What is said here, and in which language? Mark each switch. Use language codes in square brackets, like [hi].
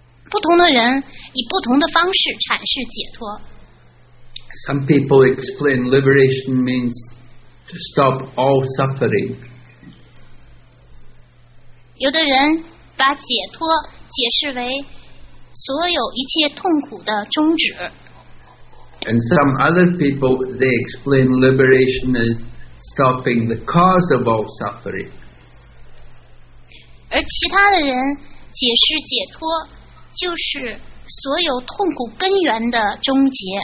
[zh] 不同的人以不同的方式阐释解脱。 [en] Some people explain liberation means to stop all suffering. [zh] 有的人把解脱解释为所有一切痛苦的终止。 [en] And some other people, they explain liberation as stopping the cause of all suffering. [zh] 而其他的人解释解脱就是所有痛苦根源的终结。